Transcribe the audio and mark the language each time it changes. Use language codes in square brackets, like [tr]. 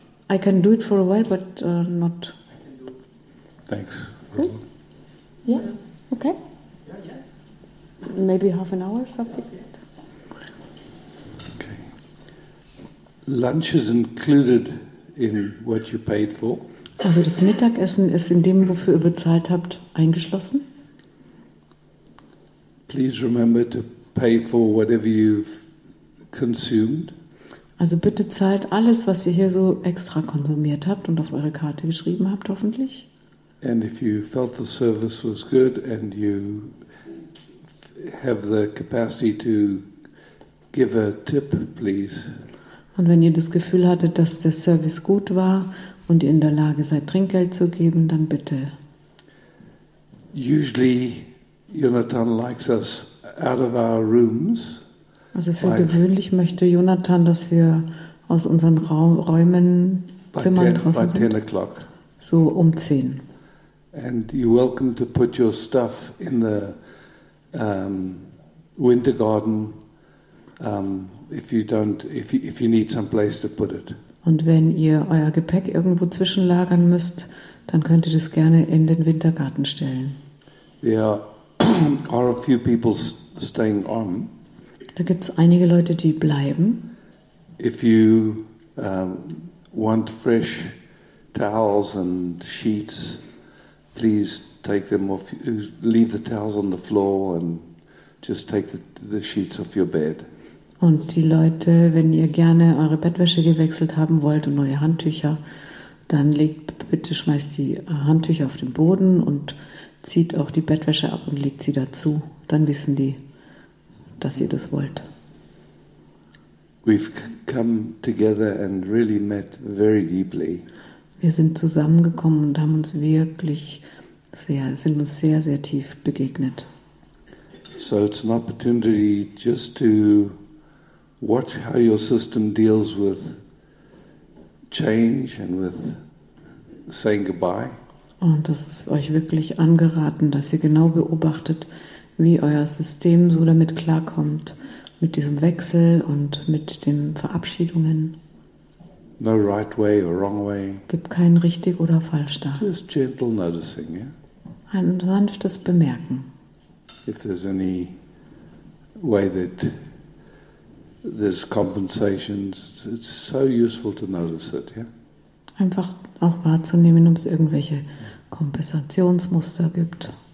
[en] I can do it for a while, but not. Thanks. Yeah, okay. Yeah, yes. Maybe half an hour or something. Okay. Lunch is included in what you paid for. [de] Also das Mittagessen ist in dem, wofür ihr bezahlt habt, eingeschlossen. [en] Please remember to pay for whatever you've consumed. [de] Also bitte zahlt alles, was ihr hier so extra konsumiert habt und auf eure Karte geschrieben habt, hoffentlich. [en] And if you felt the service was good and you have the capacity to give a tip, please. [de] Und wenn ihr das Gefühl hattet, dass der Service gut war und ihr in der Lage seid, Trinkgeld zu geben, dann bitte. [en] Usually Jonathan likes us out of our rooms. [de] Also für gewöhnlich möchte Jonathan, dass wir aus unseren Räumen, Zimmern draußen sind. [en] By 10 o'clock. [de] So um 10. [en] And you're welcome to put your stuff in the winter garden if you need some place to put it. [de] Und wenn ihr euer Gepäck irgendwo zwischenlagern müsst, dann könnt ihr das gerne in den Wintergarten stellen. [en] There are a few people staying on. [de] Da gibt's einige Leute, die bleiben. [en] If you want fresh towels and sheets, please take them off. Leave the towels on the floor and just take the sheets off your bed. [de] Und die Leute, wenn ihr gerne eure Bettwäsche gewechselt haben wollt und neue Handtücher, dann legt bitte, schmeißt die Handtücher auf den Boden und zieht auch die Bettwäsche ab und legt sie dazu. Dann wissen die, dass ihr das wollt. [en] We've come together and really met very deeply. [de] Wir sind zusammengekommen und haben uns wirklich sehr, sind uns sehr, sehr tief begegnet. [en] So it's an opportunity just to watch how your system deals with change and with saying goodbye. [de] Und das ist euch wirklich angeraten, dass ihr genau beobachtet, wie euer System so damit klarkommt, mit diesem Wechsel und mit den Verabschiedungen. [en] No right way or wrong way. [de] Gibt keinen richtig oder falsch da. [en] Just gentle noticing, yeah? [de] Ein sanftes Bemerken. [en] If there's any way that there's compensations, it's so useful to notice it, yeah? [de] Einfach auch wahrzunehmen, ob es irgendwelche Kompensationsmuster gibt.